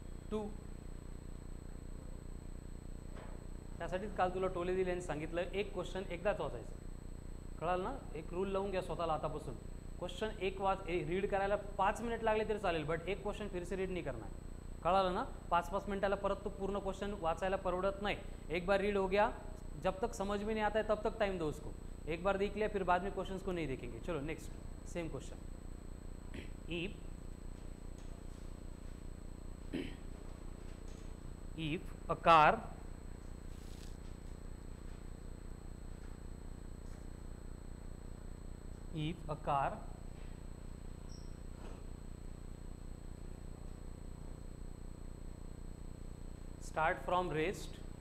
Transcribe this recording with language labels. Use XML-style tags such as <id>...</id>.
<mr>To त्यासाठीच काल तुला टोले दिले आणि सांगितलं एक क्वेश्चन एकदाच वाचायचं, कळाल ना. एक रूल लावून घ्या स्वतःला आतापासून, क्वेश्चन एक वाच रीड करायला 5 मिनिट लागले तरी चालेल बट एक क्वेश्चन फिरसे रीड नाही करणार, कळालं ना. 5-5 मिनिटाला परत तो पूर्ण क्वेश्चन वाचायला परवडत नाही,</mr> <hi>एक बार रीड हो गया जब तक समझ में नहीं आता है तब तक टाइम दो उसको, एक बार देख लिया फिर बाद में क्वेश्चंस को नहीं देखेंगे.</hi> <en>चलो next same question. If a car start from rest</en>